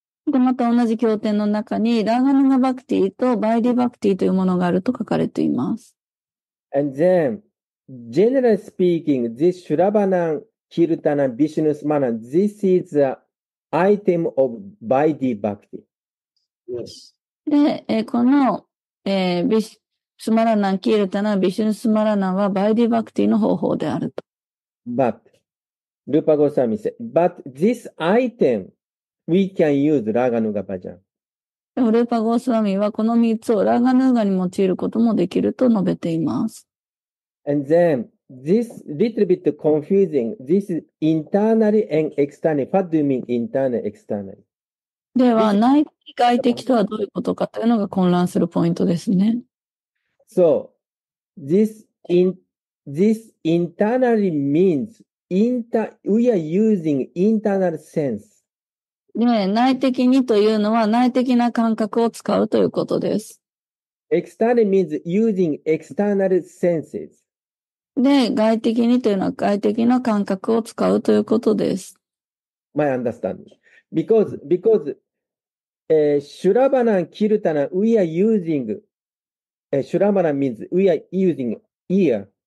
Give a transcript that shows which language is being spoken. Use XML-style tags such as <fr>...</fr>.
<ja>でまた同じ経典の中に Raghunuga Bhakti と Vaidhi Bhakti というものがあると書かれています。</ja> <en>And then, generally speaking, this Shravanam, Kirtanam, Vishnu Smaranam, this is an item of Vaidhi Bhakti. Yes.</en> <ja>で、この、スマラナン、キールタナン、ビシュヌスマラナンはバイディバクティの方法であると。</ja> <en>But, Rupa Goswami said, but this item, we can use Raghunuga Bhajan.</en> <ja>Rupa Goswami はこの3つをラガヌーガに用いることもできると述べています。</ja> <en>And then, this little bit confusing, this is internally and externally. What do you mean internally, externally?</en> <ja>では、内的、外的とはどういうことかというのが混乱するポイントですね。</ja> <en>So, this internally means, we are using internal sense.</en> <ja>ね、内的にというのは内的な感覚を使うということです。</ja> <en>External means using external senses.</en> <ja>で、外的にというのは外的な感覚を使うということです。</ja> <en>My understanding. Because, シュラバナン、キルタナン、we are using, シュラバナン means we are using ear.</en>